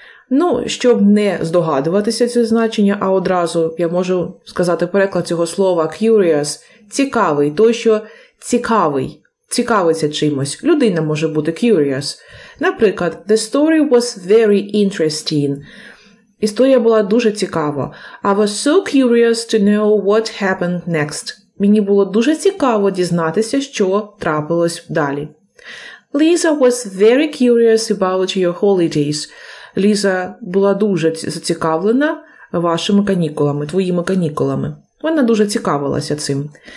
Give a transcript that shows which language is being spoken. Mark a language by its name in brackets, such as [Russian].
[Ukrainian] Ну, щоб не здогадуватися це значення, а одразу я можу сказати переклад цього слова curious – цікавий, той, що цікавий, цікавиться чимось. Людина може бути [English] curious. [Ukrainian] Наприклад, [English] the story was very interesting. [Ukrainian] Історія була дуже цікава. [English] I was so curious to know what happened next. [Ukrainian] Мені було дуже цікаво дізнатися, що трапилось далі. [English] Lisa was very curious about your holidays. [Ukrainian] Ліза була дуже зацікавлена вашими канікулами, твоїми канікулами. Вона дуже цікавилася цим.